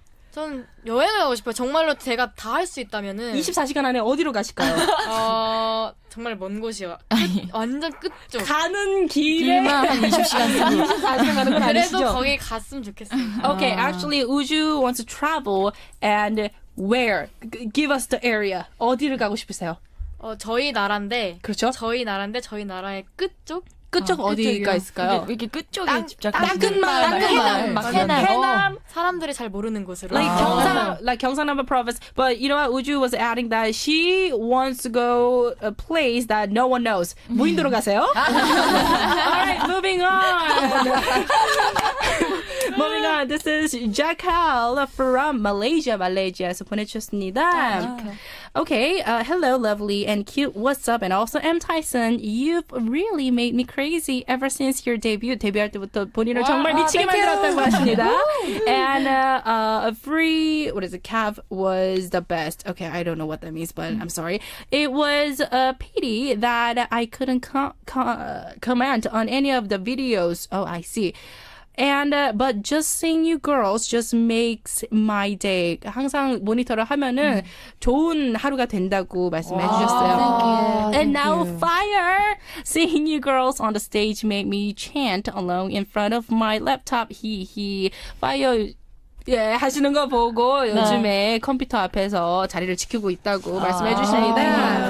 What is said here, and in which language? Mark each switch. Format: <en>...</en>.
<ko>저는 여행을 가고 싶어요. 정말로 제가 다 할 수 있다면은. 24시간 안에 어디로 가실까요? 정말 먼 곳이요. 완전 끝쪽. 가는 길에. 길만 24시간. 24시간 가는 건 아니시죠? 그래도 거기 갔으면 좋겠어요.</ko> <en>Okay, actually, Uju wants to travel and where? Give us the area.</en> <ko>어디를 가고 싶으세요? 저희 나라인데. 그렇죠? 저희 나라인데 저희 나라의 끝쪽? 끝쪽 어디가 끝쪽이요. 있을까요? 이렇게 끝쪽에 집착하는 땅끝마을. 땅끝마을. 해남. 사람들이 잘 모르는 곳으로.</ko> <en>Like 경상남부 province. But you know what? Uju was adding that she wants to go a place that no one knows.</en> <ko>무인도로 가세요.</ko> <en>All right, moving on. Moving on. This is Jackal from Malaysia.</en> <ko>Malaysia에서 보내주셨습니다.</ko> <en>Okay, hello, lovely and cute WASSUP, and also M. Tyson. You've really made me crazy ever since your debut.</en> <ko>데뷔할 때부터 본인을 정말 미치게 만들었다고 하십니다.</ko> <en>And a free, what is it, cav was the best. Okay, I don't know what that means, but I'm sorry. It was a pity that I couldn't comment on any of the videos. Oh, I see. And but just seeing you girls just makes my day.</en> <ko>항상 모니터를 하면은 좋은 하루가 된다고 말씀해 주셨어요.</ko> <en>Thank you. And thank now you. Fire! Seeing you girls on the stage made me chant alone in front of my laptop. Hee hee. Fire!</en> <ko>예, 하시는 거 보고 요즘에 컴퓨터 앞에서 자리를 지키고 있다고 말씀해 주십니다.</ko>